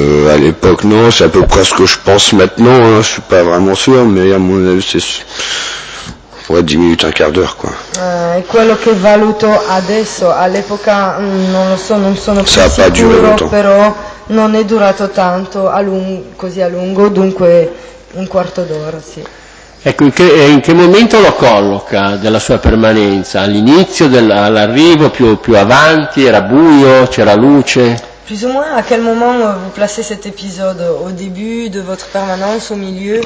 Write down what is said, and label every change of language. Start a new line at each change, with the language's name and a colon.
French: À l'époque, non, c'est à peu près ce que je pense maintenant, hein. Je suis pas vraiment sûr, mais à mon avis, c'est. Ouais, 10 minutes, un quart d'heure, quoi.
Italian: E quello che valuto adesso, all'epoca, non lo so, non sono più sicuro, però non è durato tanto a lungo, così a lungo, dunque un quarto d'ora, sì. Ecco, in che momento lo colloca della sua permanenza? All'inizio, all'arrivo, più avanti, era buio, c'era luce?
French: Plus ou moins, à quel moment vous placez cet épisode? Au début de votre permanence, au milieu?